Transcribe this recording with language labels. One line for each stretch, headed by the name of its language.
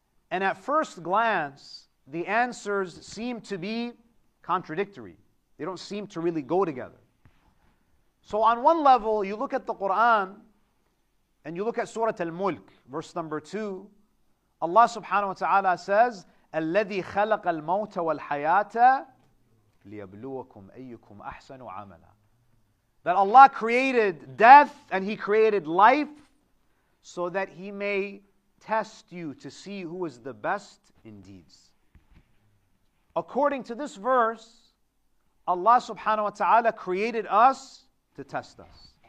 English: And at first glance, the answers seem to be contradictory. They don't seem to really go together. So on one level, you look at the Qur'an, and you look at Surah Al-Mulk, verse number 2. Allah subhanahu wa ta'ala says,
Arabic: الَّذِي خَلَقَ الْمَوْتَ وَالْحَيَاةَ لِيَبْلُوَكُمْ أَيُّكُمْ أَحْسَنُ عَمَلًا.
English: That Allah created death and He created life so that He may test you to see who is the best in deeds. According to this verse, Allah subhanahu wa ta'ala created us to test us.